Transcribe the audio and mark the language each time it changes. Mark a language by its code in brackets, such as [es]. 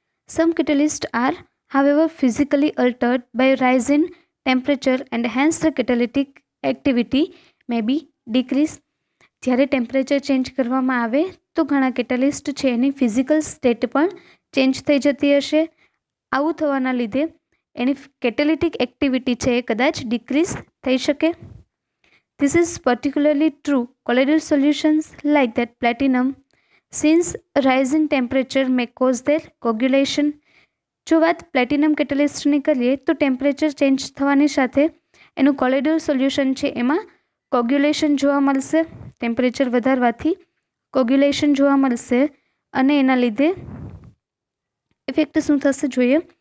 [en] Some catalyst are however physically altered by rise in temperature and hence the catalytic activity may be decrease. [gu] જ્યારે temperature change કરવામાં આવે તો ઘણા catalyst છે એની physical state પણ ચેન્જ થઈ જતી હશે. આવું થવાના લીધે એની કેટલિટિક એક્ટિવિટી છે એ કદાચ ડિક્રીઝ થઈ શકે. [en] This is particularly true colloidal solutions like that platinum, since a rise in temperature may cause their coagulation. [gu] જો વાત પ્લેટિનમ કેટલિસ્ટની કરીએ તો ટેમ્પરેચર ચેન્જ થવાની સાથે એનું કોલોઇડલ સોલ્યુશન છે એમાં કોગ્યુલેશન જોવા મળશે. ટેમ્પરેચર વધારવાથી કોગ્યુલેશન જોવા મળશે અને એના લીધે ઇફેક્ટ શું થશે જોઈએ.